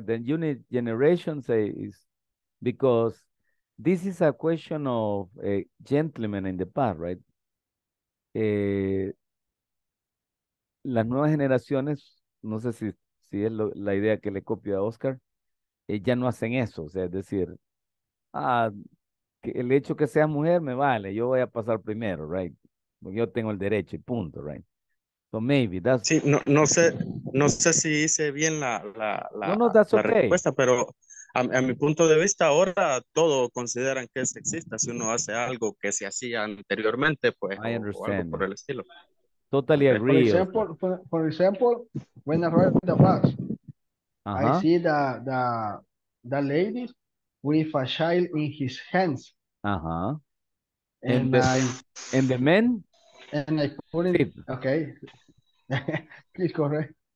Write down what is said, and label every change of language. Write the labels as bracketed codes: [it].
[en] The new generation says, because this is a question of a gentleman in the past, right? [es] Las nuevas generaciones, no sé si es la idea que le copio a Oscar, ya no hacen eso, o sea, es decir, que el hecho que sea mujer me vale, yo voy a pasar primero, right? Porque yo tengo el derecho y punto, right? [en] So maybe that's... [es] Sí, no sé si hice bien la respuesta, pero a mi punto de vista ahora todo consideran que es sexista si uno hace algo que se hacía anteriormente, pues, [en] I understand. [es] O algo por el estilo. [en] Totally agree. For example, when I ride the bus, I see the ladies with a child in his hands. And the men? And I put it, okay. Please correct.